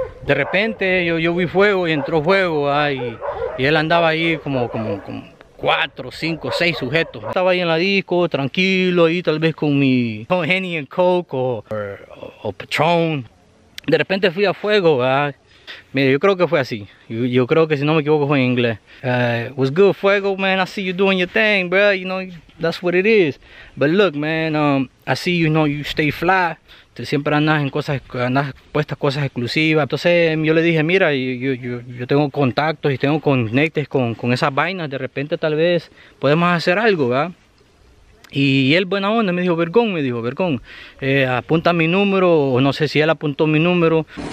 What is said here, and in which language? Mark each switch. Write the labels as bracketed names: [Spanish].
[Spanish] De repente yo vi fuego y entró fuego, y él andaba ahí como 4, 5, 6 sujetos. Estaba ahí en la disco, tranquilo, ahí tal vez con mi Henny and Coke o Patron. De repente fui a fuego, ¿verdad? Mira, yo creo que fue así. Yo creo que si no me equivoco fue en inglés. [English] What's good, Fuego, man? I see you doing your thing, bro. You know, that's what it is. But look, man, I see you know you stay fly. [Spanish] Tú siempre andas en cosas, andas puestas cosas exclusivas. Entonces yo le dije, mira, yo tengo contactos y tengo conectes con esas vainas. De repente tal vez podemos hacer algo, ¿verdad? Y él, buena onda, me dijo, Vergón, apunta mi número, o no sé si él apuntó mi número.